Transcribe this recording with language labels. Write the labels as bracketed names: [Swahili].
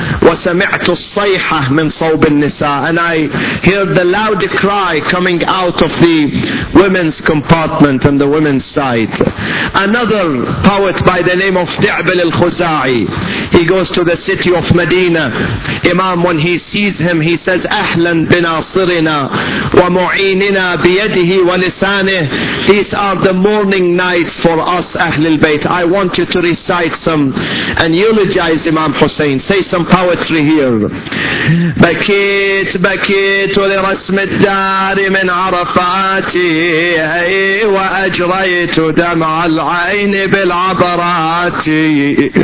[Arabic] وسمعت الصيحة من صوب النساء. [English] And I heard the loud cry coming out of the women's compartment and the women's side. Another poet by the name of Di'bil al-Khuza'i. He goes to the city of Medina. Imam, when he sees him, he says, [Arabic] أهلاً بناصرنا ومعيننا بيده ولسانه. [English] These are the morning nights for us, Ahl al-Bayt. I want you to recite some and eulogize Imam Hussein. Say some poetry here. [Arabic] بكيت بكيت لرسم الدار من عرفاتي وأجريت دمع العين بالعبراتي.